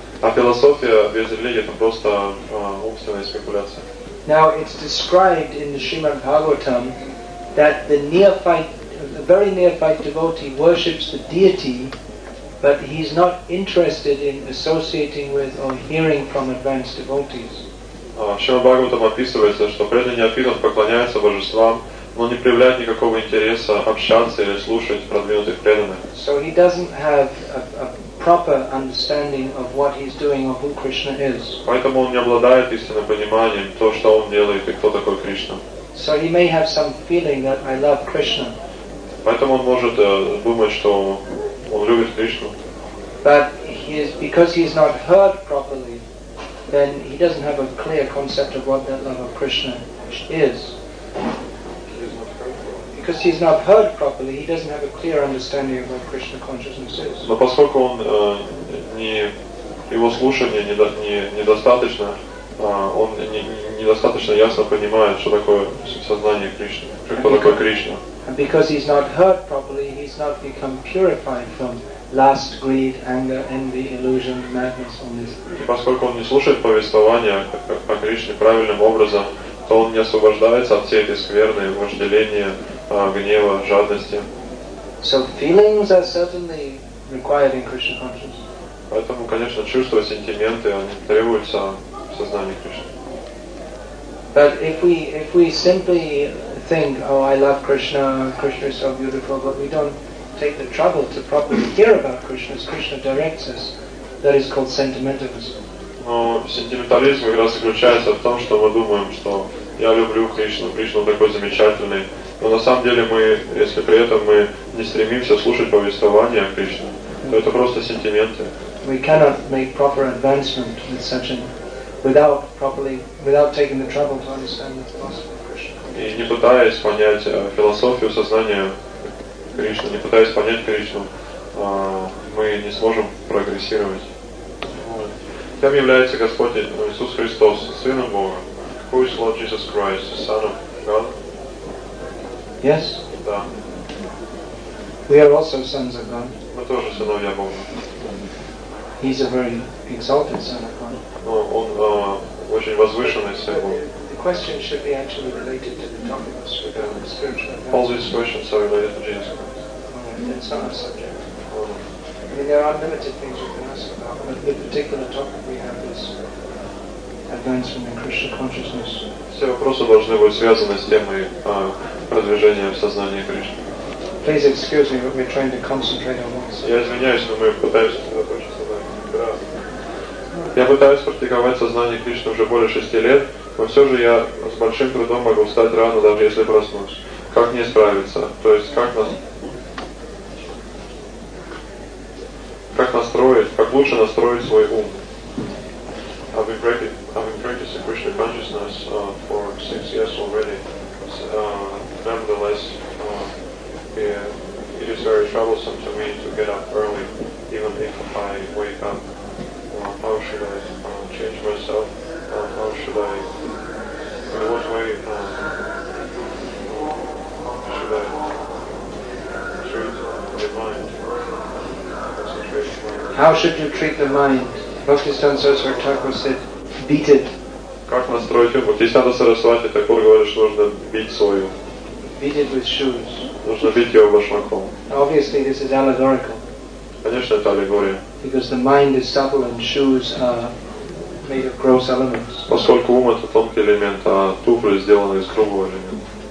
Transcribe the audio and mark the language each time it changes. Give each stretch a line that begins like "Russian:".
Russian: А философия без религии это просто умственная спекуляция.
English: Now it's described in the Srimad Bhagavatam that the neophyte, the very neophyte devotee worships the deity, but he's not interested in associating with or hearing from advanced devotees.
Russian: Шримад Бхагаватам описывается, что преданный неофит поклоняется божествам, но не проявляет никакого интереса общаться или слушать продвинутых преданных.
English: So he doesn't have a proper understanding of what he's doing or who Krishna is.
Russian: Поэтому он не обладает истинным пониманием то, что он делает и кто такой Кришна.
English: So he may have some feeling that I love Krishna.
Russian: Поэтому он может думать, что он любит Кришну.
English: But because he's not heard properly, then he doesn't have a clear concept of what that love of Krishna is. Because he's not heard properly, he doesn't have a clear understanding of what Krishna consciousness is.
Russian: Но поскольку он не его слушание недостаточно, он недостаточно ясно понимает, что такое сознание Кришны, что такое Кришна.
English: And because he's not heard properly, he's not become purified from lust, greed, anger, envy, illusion, madness on this.
Russian: И поскольку он не слушает повествования о Кришне правильным образом, то он не освобождается от всей этой скверны, вожделения, гнева, жадности.
English: So feelings are certainly required in Krishna consciousness.
Russian: Поэтому, конечно, чувства, сентименты, они требуются в сознании Кришны.
English: But if we simply think, oh, I love Krishna, Krishna is so beautiful, but we don't take the trouble to properly hear about Krishna, as Krishna directs us, that is called sentimentalism.
Russian: Но сентиментализм как раз заключается в том, что мы думаем, что я люблю Кришну, Кришна такой замечательный, но на самом деле мы, если при этом мы не стремимся слушать повествования о Кришне, то это просто сентименты.
English: We cannot make proper advancement with such an without taking the trouble to understand the philosophy of Krishna.
Russian: И не пытаясь понять философию сознания Кришны, не пытаясь понять Кришну, мы не сможем прогрессировать. Кем является Господь Иисус Христос, Сыном Бога?
English: Who is Lord Jesus Christ, Son of God? Yes.
Russian: Да.
English: We are also sons of God.
Russian: Мы тоже сыновья Бога.
English: He's a very exalted son of God.
Russian: Очень возвышенный сын Бога.
English: The question should be actually related to the topic of spiritual. All these questions are related to Jesus Christ. That's not our subject. I mean, there are unlimited things we can ask about, but the particular topic we have is advancement in Krishna consciousness.
Russian: Все вопросы должны быть связаны с темой продвижения в сознании Кришны.
English: Please excuse me, but we're trying to concentrate on one.
Russian: Я извиняюсь, но мы пытаемся сосредоточиться на этом. Я пытаюсь практиковать сознание Кришны уже более 6 лет, но все же я с большим трудом могу встать рано, даже если проснусь. Как мне справиться? То есть как лучше настроить свой ум?
English: I've been practicing Krishna consciousness for 6 years already. Nevertheless, it is very troublesome to me to get up early, even if I wake up. How should I change myself? How should I? In what way should I treat the mind? How should you treat the mind? Bhaktisiddhanta Saraswati Thakur said, beat it.
Russian: Как настроить ум? Бхактисиддханта Сарасвати Такур говорит, что нужно бить свой ум.
English: Beat it with shoes.
Russian: Нужно бить его башмаком.
English: Obviously, this is allegorical.
Russian: Конечно, это аллегория.
English: Because the mind is subtle and shoes are made of gross elements.
Russian: Поскольку ум это тонкий элемент, а туфли сделаны из грубого элемента.